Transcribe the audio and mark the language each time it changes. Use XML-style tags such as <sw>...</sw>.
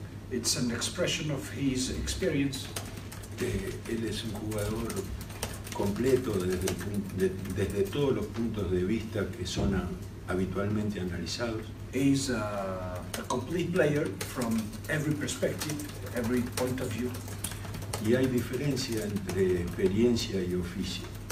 <en>It's an expression of his experience.</en> <es>Él es un jugador completo desde todos los puntos de vista que son habitualmente analizados.</es> <en>Es a complete player from every perspective, every point of view.</en> <es>Y hay diferencia entre experiencia y oficio.</es>